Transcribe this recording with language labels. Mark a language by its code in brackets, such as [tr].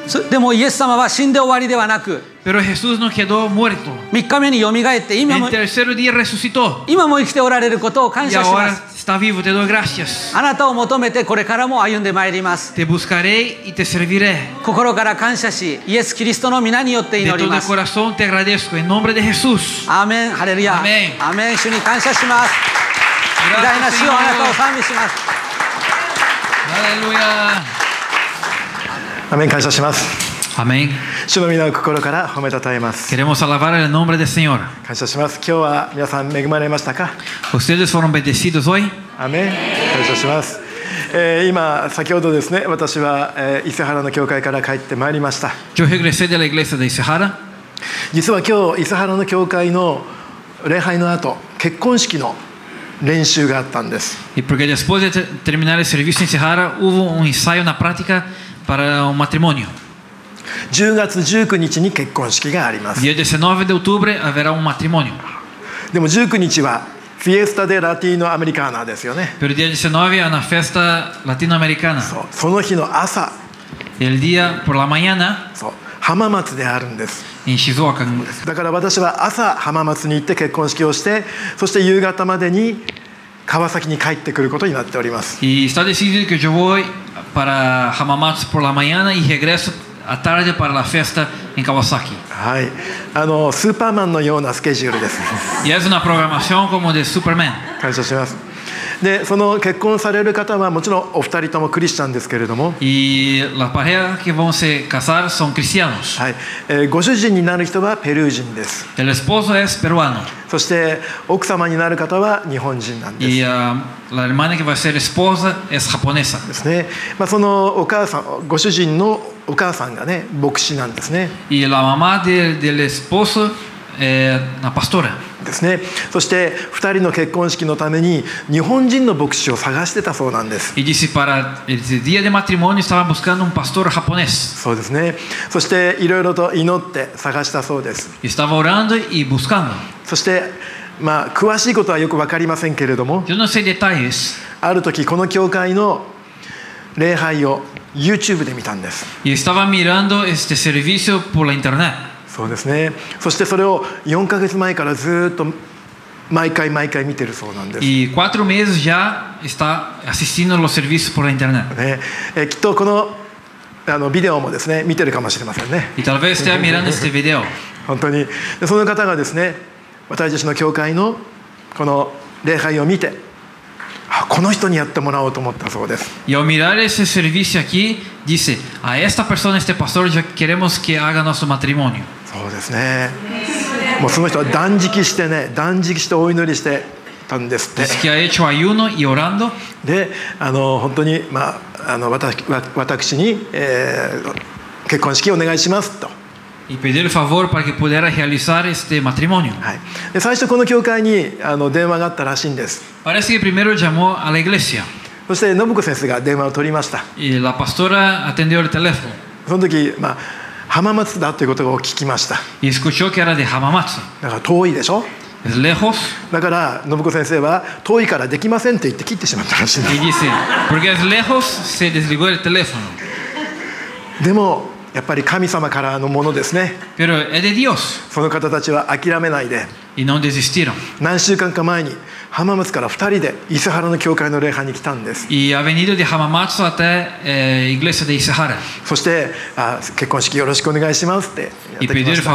[ja] でもイエス様は死んで終わりではなく、 [es] Pero Jesús no quedó muerto. [ja] 3日目によみがえって今も、 [es] El tercer día resucitó. [ja] 今も生きておられることを感謝します。 [es] Y ahora está vivo. Te doy gracias. [ja] あなたを求めてこれからも歩んでまいります。 [es] Te buscaré y te serviré. [ja] 心から感謝し、イエス・キリストの皆によって祈ります。 [es] De todo corazón te agradezco en nombre de Jesús. [ja] アーメン。ハレルヤ。 [es] Amén. [ja] Amén. 主に感謝します。偉大な主よ、あなたを賛美します。ハレルヤ。アメン。感謝します。アメン。主の皆を心から褒めたたえます。 [es] Queremos alabar el nombre del Señor. [ja] 感謝します。今日は皆さん恵まれましたか？ [es] Ustedes fueron bendecidos hoy. [ja] アメン。感謝します。今先ほどですね、私は、伊勢原の教会から帰ってまいりました。 [es] Yo regresé de la iglesia de 伊勢原。 [ja] 実は今日伊勢原の教会の礼拝の後、結婚式の練習があったんです。 [es] Y porque después de terminar el servicio en 伊勢原 hubo un ensayo, una práctica. Para un matrimonio. [ja] 10月19日に結婚式があります。 [es] Día 19 de octubre habrá un matrimonio. [ja] でも19日はフィエスタでラティーノアメリカーナーですよね。 [es] Pero día 19 es una fiesta latinoamericana. [ja] その日の朝、 [es] El día por la mañana, [ja] 浜松であるんです。 [es] En Shizuoka. [ja] だから私は朝浜松に行って結婚式をして、そして夕方までに川崎に帰ってくることになっております。 [es] Y está decidido que yo voyPara Hamamatsu por la mañana y regreso a tarde para la fiesta en Kawasaki. [ja] Sí, Superman のようなスケジュールです。 [es] Y es una programación como de Superman. [ja] 感謝します。で、その結婚される方はもちろんお二人ともクリスチャンですけれども。 [es] Y la pareja que van a casar son cristianos. [ja] はい、ご主人になる人はペルー人です。 [es] El esposo es peruano. [ja] そして奥様になる方は日本人なんです。 [es] Y, la hermana que va a ser esposa es japonesa. [ja] ですね。まあ、そのお母さん、ご主人のお母さんがね、牧師なんですね。 [es] Y la mamá del esposo es una pastora. [ja] ですね、そして2人の結婚式のために日本人の牧師を探してたそうなんです。そうですね。そしていろいろと祈って探したそうです。そして、まあ、詳しいことはよく分かりませんけれども、ある時この教会の礼拝を YouTube で見たんです。 [es] イエスタバミランドエステセルビシオポラインターネット。 [ja] そうですね。そしてそれを4ヶ月前からずっと毎回毎回見てるそうなんです。 [es] Y cuatro meses ya está asistiendo los servicios por internet. [ja] ね、きっとこの、ビデオもですね、見てるかもしれませんね。 [es] Y tal vez esté mirando este video. [ja] 本当に。で、その方がですね、私たちの教会のこの礼拝を見て、この人にやってもらおうと思ったそうです。 [es] Y al mirar ese servicio aquí, dice, a esta persona, este pastor, ya queremos que haga nuestro matrimonio. [ja] そうですね。もうその人は断食してね、断食してお祈りしてたんですって。 [es] Es que ha hecho ayuno y orando. [ja] で、本当に、まあ、私に、結婚式をお願いしますと。 [es] Y pedir favor para que pudiera realizar este matrimonio. [ja] はい。で、最初この教会に電話があったらしいんです。 [es] Parece que primero llamó a la iglesia. [ja] そして信子先生が電話を取りました。 [es] Y la pastora atendió el teléfono. [ja] その時、まあ浜松だということを聞きました。だから遠いでしょ。だから信子先生は遠いからできませんと言って切ってしまったらしいです。 [es] Porque es lejos, se desligó el teléfono. [ja] でもやっぱり神様からのものですね。 [es] Pero es de Dios. [ja] その方たちは諦めないで。 [es] Y no desistieron. [ja] 何週間か前に浜松から2人で伊勢原の教会の礼拝に来たんです。そして結婚式よろしくお願いしますってやってきました。